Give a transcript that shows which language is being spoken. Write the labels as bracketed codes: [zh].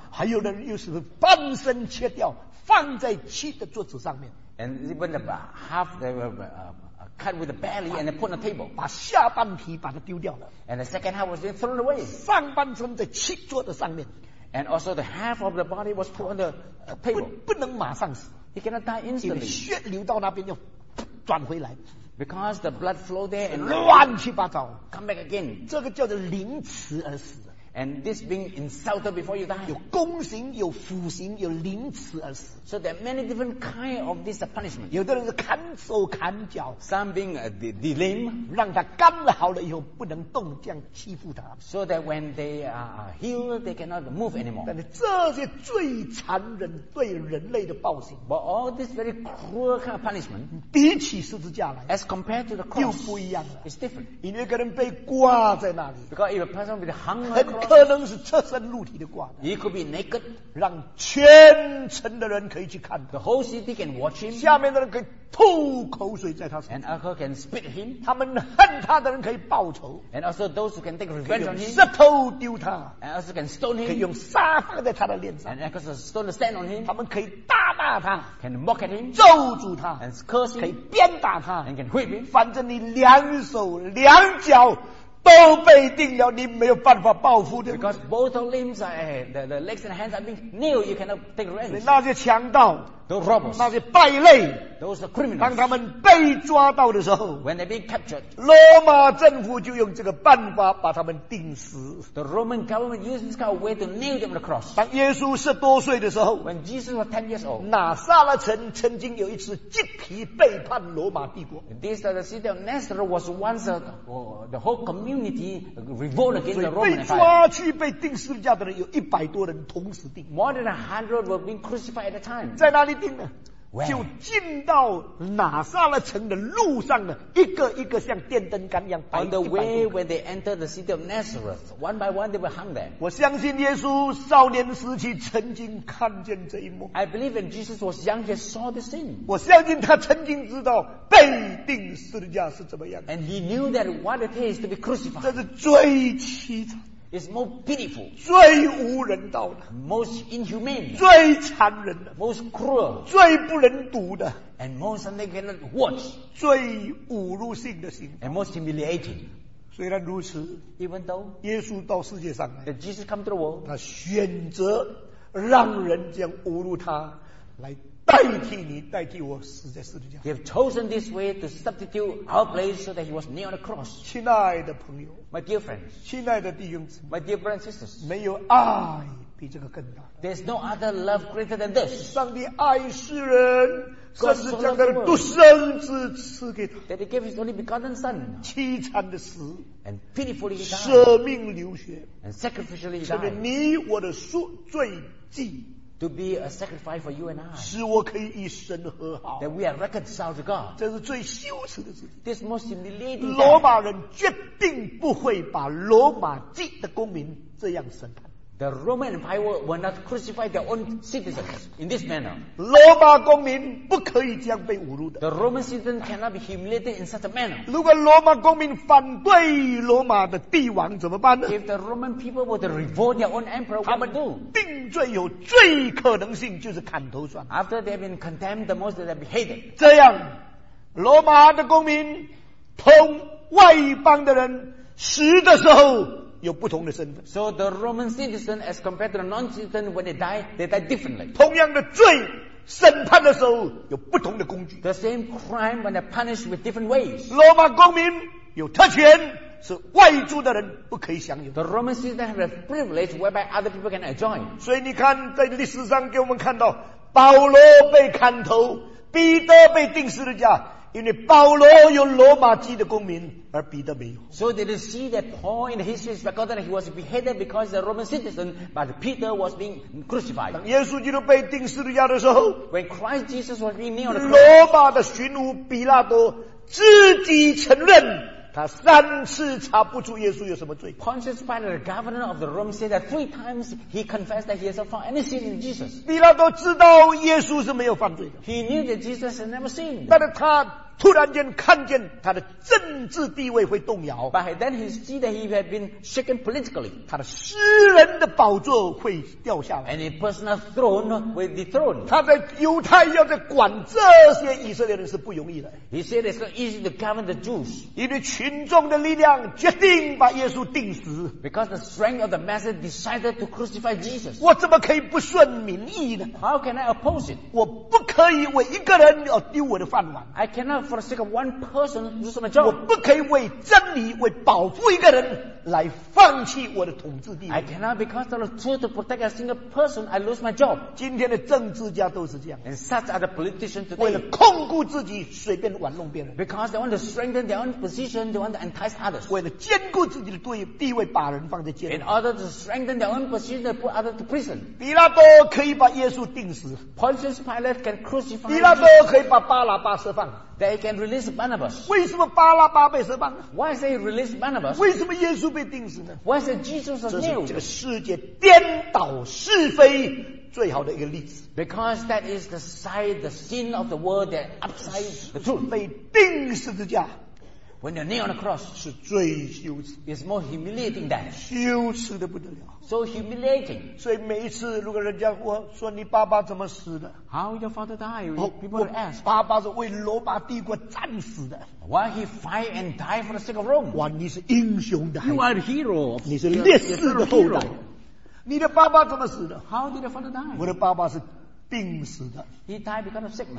[zh] 还有人又是半身切掉，放在漆的桌子上面。 [en] And even the half the cut with the belly and put on the table. [zh] 把下半皮把它丢掉了。 [en] And the second half was being thrown away. [zh] 上半身在漆桌的上面。 [en] And also the half of the body was put on the table. [zh] 不能马上死。 [en] He cannot die instantly. [zh] 因为血流到那边又转回来。 [en] Because the blood flow there and [zh] 乱七八糟。 [en] Come back again. [zh] 这个叫做凌迟而死。 [en] And this being insulted before you die. [zh] 有宫刑，有腐刑，有凌迟而死。 [en] So there are many different kinds of this punishment. [zh] 有的人是砍手砍脚。 [en] Some being delimbed. [zh] 让他干好了以后不能动，这样欺负他。 [en] So that when they are healed, they cannot move anymore. [zh] 但是这些最残忍对人类的暴行。 [en] But all this very cruel kind of punishment. [zh] 比起十字架来。 [en] As compared to the cross. [zh] 又不一样了。 [en] It's different. [zh] 因为一个人被挂在那里。 [en] Because if a person will be hung on the cross. [zh] 可能是赤身露体的挂的。 [en] He could be naked, [zh] 让全城的人可以去看他。 [en] The whole city can watch him. [zh] 下面的人可以吐口水在他身上。 [en] And others can spit him. [zh] 他们恨他的人可以报仇。 [en] And also those who can take revenge on him. [zh] 石头丢他。 [en] And also can stone him. [zh] 可以用沙放在他的脸上。 [en] And others stone the sand on him. [zh] 他们可以大骂他。 [en] Can mock at him. [zh] 咒诅他。 [en] And curse him. [zh] 可以鞭打他。 [en] And can whip him. [zh] 反正你两手两脚。都被定了，你没有办法报复的。 [en] Because both limbs are the legs and hands are being nailed, you cannot take revenge. [zh] 那些强盗 [en] ，those robbers， [zh] 那些败类 [en] ，those are criminals。 [zh] 当他们被抓到的时候 [en] ，when they're being captured， [zh] 罗马政府就用这个办法把他们钉死。 [en] The Roman government used this kind of way to nail them on the cross. [zh] 当耶稣十多岁的时候 [en] ，when Jesus was 10 years old， [zh] 拿撒勒城曾经有一次鸡皮背叛罗马帝国。 [en] This the city of Nazareth was once the whole community. Unity revolt against the Roman Empire. [zh] 被抓去被钉十字架的人有一百多人同时钉。 [en] More than 100 were being crucified at the time. [zh] 在哪里钉呢？ [en] Where? [zh] 就进到拿撒勒城的路上呢，一个一个像电灯杆一样摆。 [en] On the way when they entered the city of Nazareth, one by one they were hung there. [zh] 我相信耶稣少年时期曾经看见这一幕。 [en] I believe when Jesus was young, he saw the scene. [zh] 我相信他曾经知道被钉十字架是怎么样。 [en] And he knew that what it is to be crucified. [zh] 这是最凄惨。 [en] is more pitiful， [zh] 最无人道的 [en] ，most inhumane， [zh] 最残忍的 [en] ，most cruel， [zh] 最不能读的 [en] ，and most they cannot watch， [zh] 最侮辱性的刑 [en] ，and most humiliating。 [zh] 虽然如此 [en] ，even though [zh] 耶稣到世界上来 [en] ，that Jesus come to the world， [zh] 他选择让人将侮辱他来代替你，代替我死在十字架。 [en] He have chosen this way to substitute our place so that he was nailed on the cross。 [zh] 亲爱的朋友 [en] ，my dear friends， [zh] 亲爱的弟兄姊妹 [en] ，my dear brothers and sisters， [zh] 没有爱比这个更大。 [en] There's no other love greater than this。 [zh] 上帝爱世人，甚至将他的独生子赐给他。 [en] That he gave his only begotten son。 [zh] 凄惨的死 [en] ，and pitifully died。 [zh] 舍命流血 [en] ，and sacrificially died。 [zh] 成了你我的赎罪祭。 [en] To be a sacrifice for you and I， [zh] 使我可以与神和好。 [en] That we are reconciled to God， [zh] 这是最羞耻的事。 [en] This most humiliating。 [zh] 罗马人决定不会把罗马籍的公民这样审判。 [en] The Roman Empire will not crucify their own citizens in this manner。 [zh] 罗马公民不可以这样被侮辱的。 [en] The Roman citizen cannot be humiliated in such a manner。 [zh] 如果罗马公民反对罗马的帝王怎么办呢 [en] ？If the Roman people were to revolt their own emperor, what would do？ [zh] 定罪有最可能性就是砍头算。 [en] After they have been condemned, the most they have been hated。 [zh] 这样，罗马的公民同外邦的人死的时候。有不同的身份。 [en] So the Roman citizen, as compared to the non-citizen, when they die differently. [zh] 同样的罪，审判的时候有不同的工具。 [en] The same crime when they're punished with different ways. [zh] 罗马公民有特权，是外族的人不可以享有。 [en] The Roman citizen has a privilege whereby other people can enjoy. [zh] 所以你看，在历史上给我们看到，保罗被砍头，彼得被钉十字架。因为保罗有罗马籍的公民，而彼得没有。 [en] So did you see that Paul in history is recorded that he was beheaded because he's a Roman citizen, but Peter was being crucified. [zh] 当耶稣基督被钉十字架的时候 [en] ，When Christ Jesus was being nailed on the cross, [zh] 罗马的巡抚比拉多自己承认他三次查不出耶稣有什么罪。 [en] Pontius Pilate, the governor of the Rome, said that three times he confessed that he has not found any sin in Jesus. [zh] 比拉多知道耶稣是没有犯罪的。 [en] He knew that Jesus had never sinned. [zh] 但是他突然间看见他的政治地位会动摇。 [en] But then he see that he had been shaken politically. [zh] 他的私人的宝座会掉下来。 [en] And his personal throne will be dethroned. [zh] 他在犹太要在管这些以色列人是不容易的。 [en] He said it's not easy to govern the Jews. [zh] 因为群众的力量决定把耶稣钉死。 [en] Because the strength of the masses decided to crucify Jesus. [zh] 我怎么可以不顺民意呢 [en] ？How can I oppose it? [zh] 我不可以为一个人要丢我的饭碗。 [en] I cannot. For the sake of one person, lose my job. [zh] 我不可以为真理、为保护一个人来放弃我的统治地位。 [en] I cannot because of the truth to protect a single person, I lose my job. [zh] 今天的政治家都是这样。 [en] And such are the politicians today. [zh] 为了控制自己，随便玩弄别人。 [en] Because they want to strengthen their own position, they want to entice others. [zh] 为了坚固自己的地位，把人放在监狱。 [en] In order to strengthen their own position, they put others to prison. [zh] 比拉多可以把耶稣钉死。 [en] Pontius Pilate can crucify. [zh] 比拉多可以把巴拉巴释放。 [en] They can release Barnabas. [zh] 为什么巴拉巴被释放？ [en] Why is they release Barnabas? [zh] 为什么耶稣被钉死呢？ [en] Why is Jesus nailed? [zh] 这是这个世界颠倒是非最好的一个例子。 [en] Because that is the side, the sin of the world that upside the truth. [zh] 被钉十字架。 [en] When you're nailed on the cross, [zh] 是最羞耻。 [en] It's more humiliating than. [zh] 羞耻的不得了。 [en] So humiliating. [zh] 所以每一次如果人家说你爸爸怎么死的？ [en] How your father died? People will ask. [zh] 爸爸是为罗马帝国战死的。 [en] Why he fight and die for the sake of Rome? [zh] 哇，你是英雄的。 [en] You are a hero. [zh] 你是烈士的后代。你的爸爸怎么死的？ [en] How did your father die? [zh] 我的爸爸是。病死的。 [en] He died because of sickness.